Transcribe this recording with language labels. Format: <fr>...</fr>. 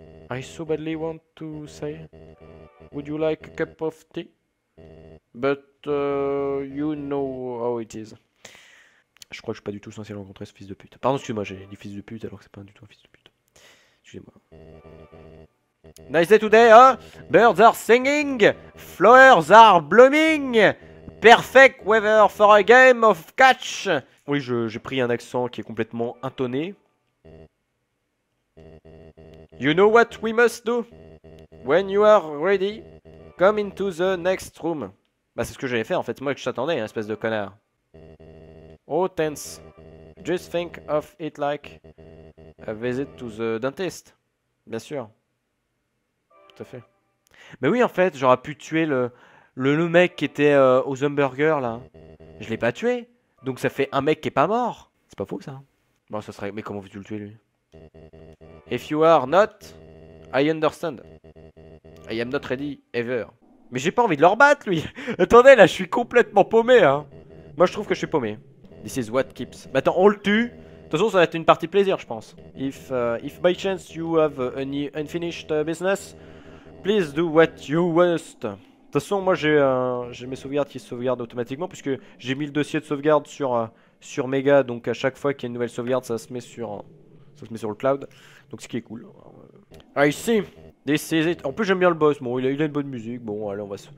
<en>I so badly want to say, would you like a cup of tea? But you know how it is.</en> <fr>Je crois que je suis pas du tout censé rencontrer ce fils de pute. Pardon, excuse-moi, j'ai dit fils de pute alors que c'est pas du tout un fils de pute. Excusez-moi.</fr> <en>Nice day today, huh? Birds are singing, flowers are blooming, perfect weather for a game of catch.</en> <fr>Oui, j'ai pris un accent qui est complètement intonné.</fr> <en>You know what we must do? When you are ready, come into the next room.</en> <fr>Bah c'est ce que j'allais faire en fait, moi que je t'attendais, espèce de connard.</fr> <en>Oh, tense. Just think of it like a visit to the dentist.</en> <fr>Bien sûr. Tout à fait. Mais oui, en fait, j'aurais pu tuer le mec qui était aux hamburgers, là. Je l'ai pas tué. Donc ça fait un mec qui est pas mort. C'est pas faux, ça. Bon, ça serait... Mais comment veux-tu le tuer, lui?</fr> <en>If you are not, I understand. I am not ready, ever.</en> <fr>Mais j'ai pas envie de leur battre, lui. Attendez, là, je suis complètement paumé, hein. Moi, je trouve que je suis paumé.</fr> <en>This is what keeps...</en> <fr>Mais attends, on le tue. De toute façon, ça va être une partie plaisir, je pense.</fr> <en>If by chance you have any unfinished business, please do what you must.</en> <fr>De toute façon, moi, j'ai mes sauvegardes qui se sauvegardent automatiquement, puisque j'ai mis le dossier de sauvegarde sur Mega, donc à chaque fois qu'il y a une nouvelle sauvegarde, ça se met sur le cloud. Donc, ce qui est cool.</fr> <en>I see. This is it.</en> <fr>En plus, j'aime bien le boss. Bon, il a une bonne musique. Bon, allez, on va se...</fr>